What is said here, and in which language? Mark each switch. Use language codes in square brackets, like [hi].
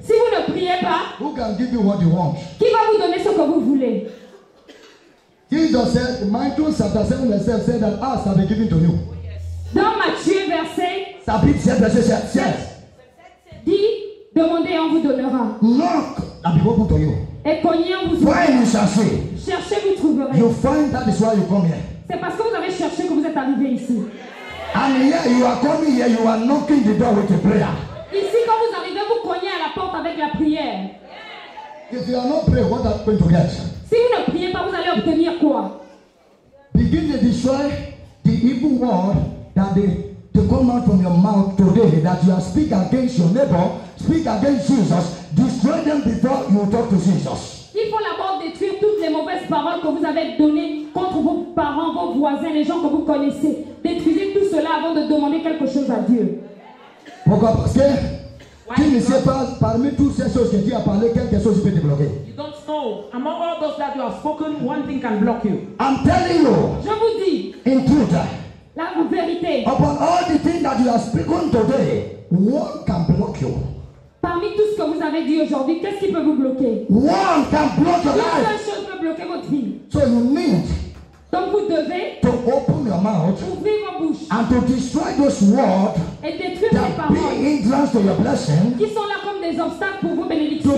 [fr] si vous ne priez pas, qui va vous donner ce que vous voulez? [en] Jesus said, Matthew chapter 7 verse 7 said that ask shall be given to you. [fr] Dans Matthieu verset, sa Bible c'est verset 7. Yes. Dit, demandez on vous donnera. Knock, la Bible vous donne. Et cognez on vous ouvrira. Find, chercher. Cherchez vous trouverez. [en] You find, that is why you come here. [fr] C'est parce que vous avez cherché que vous êtes arrivé ici. [en] And here you are coming here, you are knocking the door with a prayer. [fr] Ici, quand vous arrivez, vous cognez à la porte avec la prière. [en] If you are not praying, what are you going to get? [fr] Si vous ne priez pas, vous allez obtenir quoi? [en] Begin to destroy the evil word that to come out from your mouth today that you are speak against your neighbor, speak against Jesus. Destroy them before you talk to Jesus. [fr] Il faut d'abord détruire toutes les mauvaises paroles que vous avez données contre vos parents, vos voisins, les gens que vous connaissez. Détruisez tout cela avant de demander quelque chose à Dieu. Pourquoi? Parce que tu ne sais pas parmi toutes ces choses que Dieu a parlé, quelque chose peut te bloquer. [en] You don't know. Among all those that you have spoken, one thing can block you. I'm telling you. [fr] Je vous dis. [en] In truth. [fr] La vérité. [en] Upon all the things that you have spoken today, one can block you. [fr] Parmi tout ce que vous avez dit aujourd'hui, qu'est-ce qui peut vous bloquer? [en] One can block your life. [fr] Une seule chose peut bloquer votre vie. [en] So you need. [fr] Donc vous devez [en] to open your mouth, [fr] ouvrir vos bouches, [en] and to destroy those words [fr] et détruire vos paroles, [en] be hindrance to your blessing, [fr] qui sont là comme des obstacles pour vos bénédictions,